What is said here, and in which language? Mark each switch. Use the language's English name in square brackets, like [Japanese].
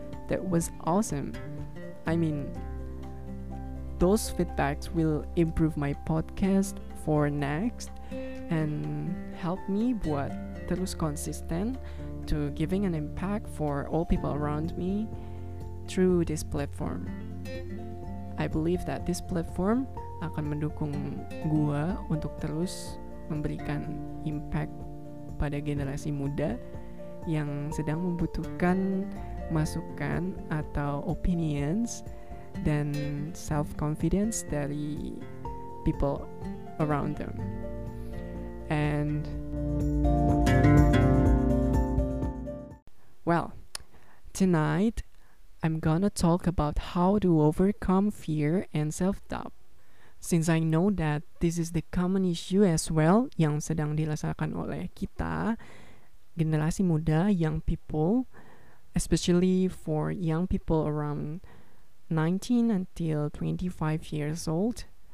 [English] That was awesome. I mean, those feedbacks will improve my podcast for next and help me [Indonesian] buat terus konsisten [English] to giving an impact for all people around me through this platform. I believe that this platform [Indonesian] akan mendukung gua untuk terus memberikan impact pada generasi muda yang sedang membutuhkan masukan atau opinions dan self-confidence dari [English] people around them. And well, tonight I'm gonna talk about how to overcome fear and self-doubt. Since I know that this is the common issue as well [Indonesian] yang sedang dirasakan oleh kita generasi muda, [English] young people, especially for young people around 19 until 25 years old.